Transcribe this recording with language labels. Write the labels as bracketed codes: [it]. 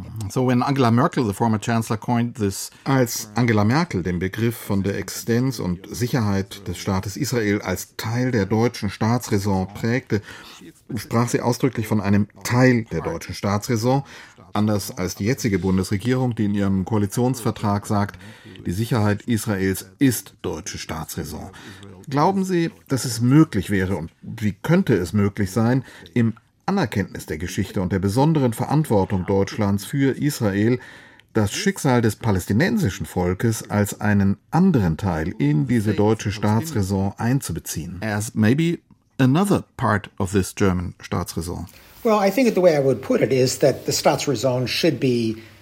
[en] So when Angela Merkel, the former chancellor, coined this, [de] als Angela Merkel den Begriff von der Existenz und Sicherheit des Staates Israel als Teil der deutschen Staatsräson prägte, sprach sie ausdrücklich von einem Teil der deutschen Staatsräson, anders als die jetzige Bundesregierung, die in ihrem Koalitionsvertrag sagt, die Sicherheit Israels ist deutsche Staatsräson. Glauben Sie, dass es möglich wäre und wie könnte es möglich sein, im Anerkenntnis der Geschichte und der besonderen Verantwortung Deutschlands für Israel, das Schicksal des palästinensischen Volkes als einen anderen Teil in diese deutsche Staatsräson einzubeziehen? [en] As maybe another part of this German Staatsräson. Well, I think that the way I would put it is that the Staatsräson should be